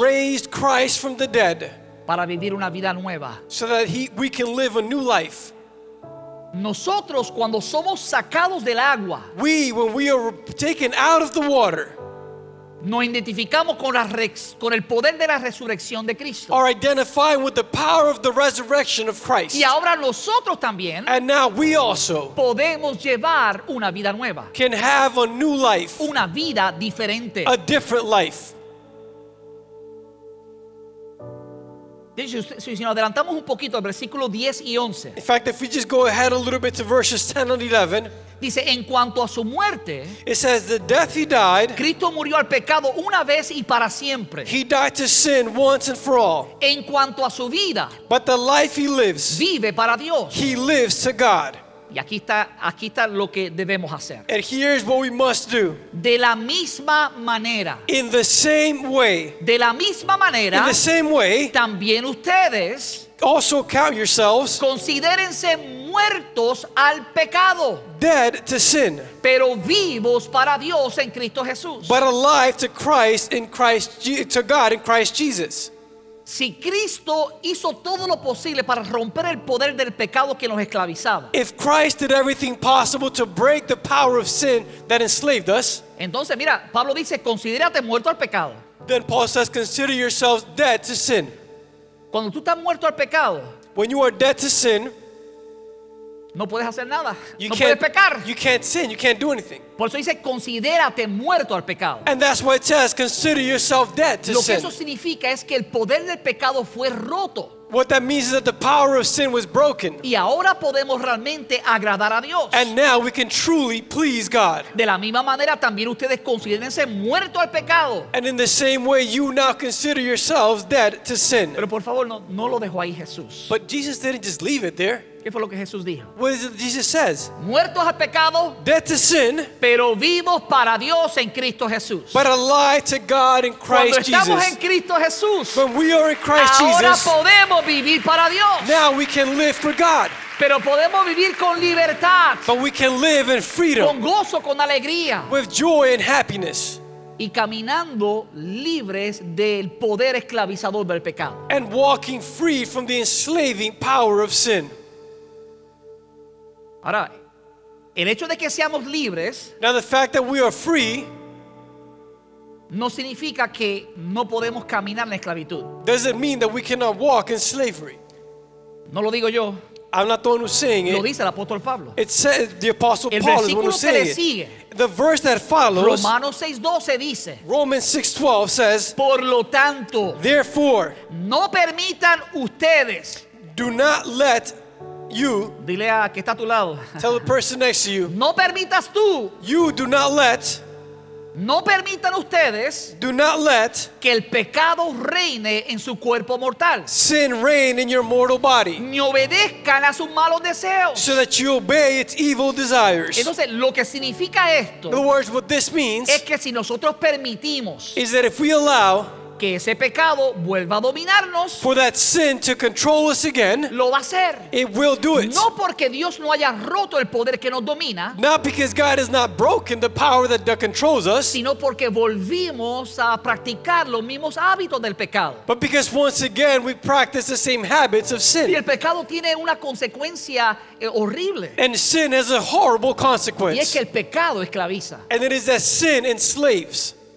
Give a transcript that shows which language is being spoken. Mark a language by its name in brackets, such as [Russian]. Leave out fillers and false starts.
[English] raised Christ from the dead, [Spanish] para vivir una vida nueva, [English] so that we can live a new life. [Spanish] Nosotros cuando somos sacados del agua, [English] when we are taken out of the water, [Spanish] nos identificamos con el poder de la resurrección de Cristo. [English] Are identifying with the power of the resurrection of Christ. [Spanish] Y ahora nosotros también, [English] and now we also, [Spanish] podemos llevar una vida nueva. [English] Can have a new life. [Spanish] Una vida diferente. [English] A different life. [Spanish] Si nos adelantamos un poquito al versículo 10 y 11. [English] In fact, if we just go ahead a little bit to verses 10 and 11. [Spanish] Dice, en cuanto a su muerte, [English] it says the death he died, [Spanish] Cristo murió al pecado una vez y para siempre. [English] He died to sin once and for all. [Spanish] En cuanto a su vida, [English] but the life he lives, [Spanish] vive para Dios. [English] He lives to God. [Spanish] Y aquí está lo que debemos hacer. [English] And here is what we must do. [Spanish] De la misma manera. [English] In the same way. [Spanish] De la misma manera. [English] In the same way. [Spanish] También ustedes. [English] Also count yourselves. [Spanish] Considérense muertos al pecado. [English] Dead to sin. [Spanish] Pero vivos para Dios en Cristo Jesús. [English] But alive to Christ in Christ, to God in Christ Jesus. [Spanish] Si Cristo hizo todo lo posible para romper el poder del pecado que nos esclavizaba. [English] If Christ did everything possible to break the power of sin that enslaved us. [Spanish] Entonces mira, Pablo dice, considérate muerto al pecado. [English] Then Paul says, consider yourselves dead to sin. [Spanish] Cuando tú estás muerto al pecado. [English] When you are dead to sin. [Spanish] No puedes hacer nada. No puedes pecar. [English] You can't sin. You can't do anything. [Spanish] Por eso dice, considérate muerto al pecado. [English] And that's why it says, consider yourself dead to sin. [Spanish] Lo que eso significa es que el poder del pecado fue roto. [English] What that means is that the power of sin was broken. [Spanish] Y ahora podemos realmente agradar a Dios. [English] And now we can truly please God. [Spanish] De la misma manera, también ustedes considérense muerto al pecado. [English] And in the same way, you now consider yourselves dead to sin. [Spanish] Pero por favor, no lo dejó ahí Jesús. [English] But Jesus didn't just leave it there. [Spanish] ¿Qué fue lo que Jesús dijo? [English] What is it Jesus says? [Spanish] Muertos al pecado, [English] dead to sin, [Spanish] pero vivos para Dios en Cristo Jesús. [English] But alive to God in Christ Jesus. Cuando [Spanish] estamos en Cristo Jesús, [English] when we are in Christ [Spanish] ahora [English] Jesus, [Spanish] podemos vivir para Dios. [English] Now we can live for God. [Spanish] Pero podemos vivir con libertad. [English] But we can live in freedom. [Spanish] Con gozo, con alegría. [English] With joy and happiness. [Spanish] Y caminando libres del poder esclavizador del pecado. [English] And walking free from the enslaving power of sin. [Spanish] Ahora, el hecho de que seamos libres, [English] now the fact that we are free, [Spanish] no significa que no podemos caminar en esclavitud. [English] Doesn't mean that we cannot walk in slavery. [Spanish] No lo digo yo. [English] I'm not the one who's saying [Spanish] it. Lo dice el apóstol Pablo. [English] It says the apostle [Spanish] el [English] Paul is the one who's saying [Spanish] it. Sigue. [English] The verse that follows. [Spanish] Romanos 6:12 dice. [English] Romans 6:12 says. [Spanish] Por lo tanto. [English] Therefore. [Spanish] No permitan ustedes. [English] Do not let you. [Spanish] Dile a que está a tu lado. [English] Tell the person next to you. [Spanish] No permitas tú. [English] You do not let. [Spanish] No permitan ustedes. [English] Do not let. [Spanish] Que el pecado reine en su cuerpo mortal. [English] Sin reign in your mortal body. [Spanish] Ni obedezcan a sus malos deseos. [English] So that you obey its evil desires. [Spanish] Entonces, lo que significa esto. [English] In other words, what this means. [Spanish] Es que si nosotros permitimos. [English] Is that if we allow. [Spanish] Que ese pecado vuelva a dominarnos. [English] For that sin to control us again. [Spanish] Lo va a hacer. [English] It will do it. [Spanish] No porque Dios no haya roto el poder que nos domina. [English] Not because God has not broken the power that controls us. [Spanish] Sino porque volvimos a practicar los mismos hábitos del pecado. [English] But because once again we practice the same habits of sin. [Spanish] Y el pecado tiene una consecuencia horrible. [English] And sin has a horrible consequence. [Spanish] Y es que el pecado esclaviza. [English] And it is that sin enslaves.